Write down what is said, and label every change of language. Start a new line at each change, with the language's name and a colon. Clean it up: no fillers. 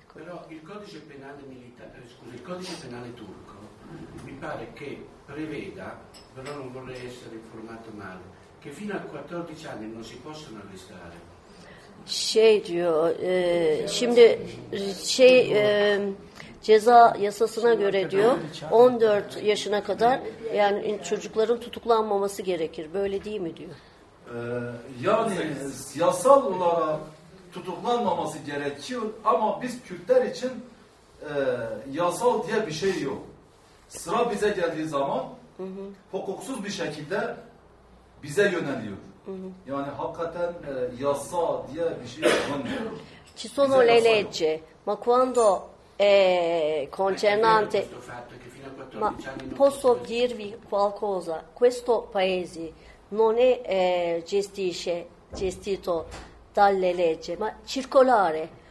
Italian: Però il codice penale militare, scusa, il codice penale turco mi pare che preveda, però non vorrei essere informato male, che fino a 14 anni non si possono arrestare.
Turkish: Şey diyor, şimdi şey ceza yasasına göre diyor 14 yaşına kadar yani çocukların tutuklanmaması gerekir. Böyle değil mi diyor? Yani yasal olarak tutuklanmaması gerekiyor ama biz Kürtler için yasal diye bir şey yok. Sıra bize geldiği zaman hukuksuz bir şekilde bize yöneliyor. Yani hakikaten yasa diye bir şey yapmıyor.
Italian: Ci sono le leggi, ma quando concernante ma posso dirvi qualcosa? Questo paese non è gestito dalle leggi, ma circolare.